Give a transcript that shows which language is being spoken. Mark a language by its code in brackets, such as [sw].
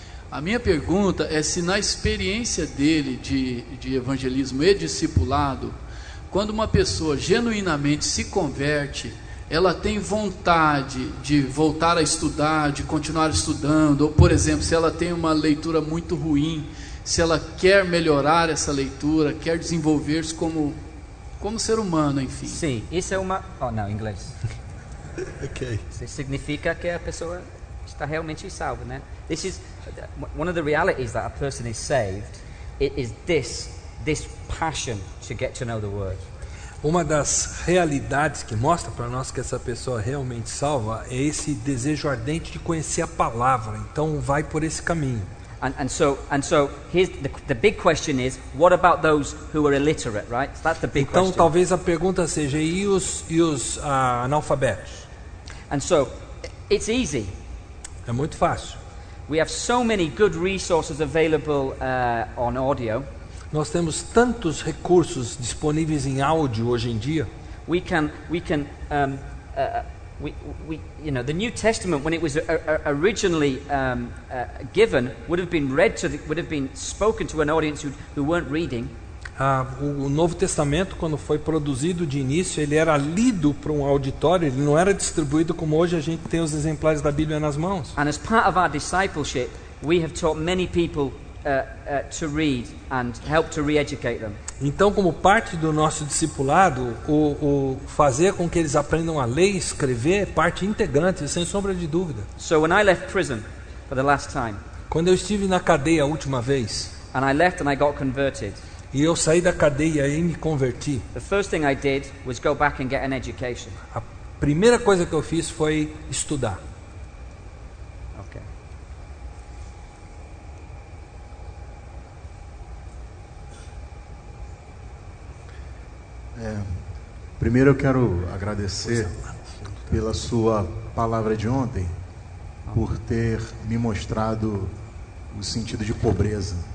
[pt] A minha pergunta é se na experiência dele de evangelismo e discipulado, quando uma pessoa genuinamente se converte, ela tem vontade de voltar a estudar, de continuar estudando, ou por exemplo, se ela tem uma leitura muito ruim, se ela quer melhorar essa leitura, quer desenvolver-se como ser humano, enfim. Sim, isso é uma... Oh, não, em inglês. Ok. Isso significa que a pessoa está realmente salva, né? [en] This is... One of the realities that a person is saved, it is this passion to get to know the Word. [pt] Uma das realidades que mostra para nós que essa pessoa realmente salva é esse desejo ardente de conhecer a Palavra. Então, vai por esse caminho. [en] And so here's the big question is, what about those who are illiterate, right? So that's the big question. [pt] Então talvez a pergunta seja e os analfabetos. [en] And so it's easy. [pt] É muito fácil. [en] We have so many good resources available on audio. [pt] Nós temos tantos recursos disponíveis em áudio hoje em dia. [en] The New Testament, when it was originally given, would have been read to, would have been spoken to an audience who weren't reading. [pt] O Novo Testamento, quando foi produzido de início, ele era lido para um auditório. Ele não era distribuído como hoje a gente tem os exemplares da Bíblia nas mãos. [en] And as part of our discipleship, we have taught many people to read and help to re-educate them. [pt] Então, como parte do nosso discipulado, o fazer com que eles aprendam a ler e escrever é parte integrante, sem sombra de dúvida. [en] So when I left prison for the last time, [pt] quando eu estive na cadeia a última vez, [en] and I left and I got converted, [pt] e eu saí da cadeia e me converti, [en] the first thing I did was go back and get an education. [pt] A primeira coisa que eu fiz foi estudar. Primeiro eu quero agradecer pela sua palavra de ontem, por ter me mostrado o sentido de pobreza,